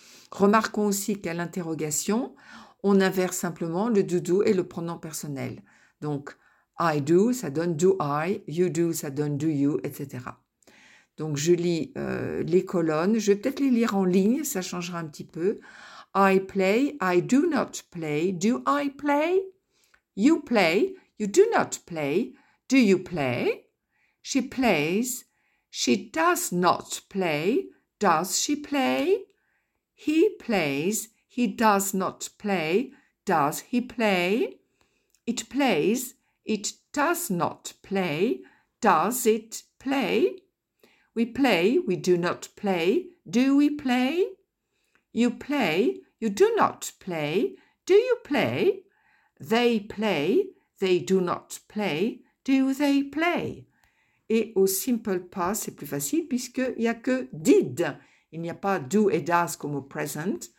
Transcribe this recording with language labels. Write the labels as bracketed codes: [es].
[fr] Remarquons aussi qu'à l'interrogation, on inverse simplement le do do et le pronom personnel. Donc, [en] I do, [fr] ça donne [en] do I, you do, [fr] ça donne [en] do you, [fr] etc. Donc, je lis les colonnes, je vais peut-être les lire en ligne, ça changera un petit peu. [en] I play, I do not play, do I play? You play, you do not play, do you play? She plays, she does not play, does she play? He plays, he does not play, does he play? It plays, it does not play, does it play? We play, we do not play, do we play? You play, you do not play, do you play? They play, they do not play, do they play? [fr] Et au simple past, c'est plus facile puisqu'il n'y a que did. Il n'y a pas do et does comme au present.